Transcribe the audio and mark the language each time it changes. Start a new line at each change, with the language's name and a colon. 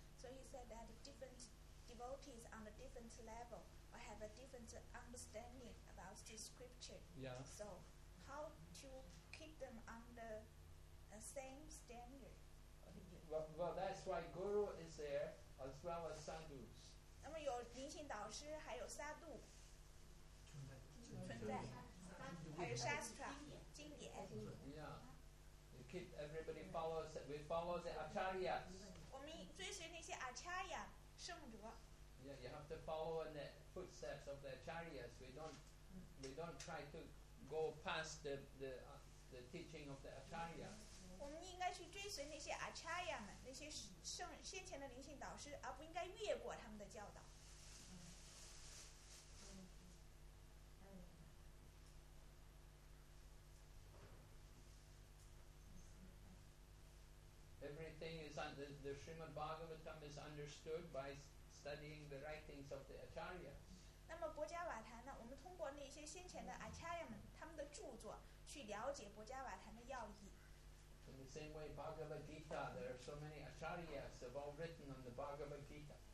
English: ？So he said that different devotees on a different level or have a different understanding about the scripture. Yeah. So how to keep them on the same standard? Well, that's why guru is there as well as sadhus.
Chinese: 们有灵性导师，还有萨杜，存在，还有沙斯特经典。
English: We keep everybody follows. We follow the acharyas.
Chinese: 我们追随那些 acharya 圣哲。
English: Yeah, you have to follow in the footsteps of the acharyas. We don't try to go past the teaching of the acharya.
Chinese: 我们应该去追随那些 acharya 们，那些先前的灵性导师，而不应该越过他们的教导。
English: Everything is under the Srimad Bhagavatam is understood by studying the writings of the Acharyas.
Chinese: 那么博伽瓦坛呢？我们通过那些先前的 Acharya 们他们的著作去了解博伽瓦坛的要义。
English: In the same way, Bhagavad Gita, there are so many Acharyas have all written on the Bhagavad Gita.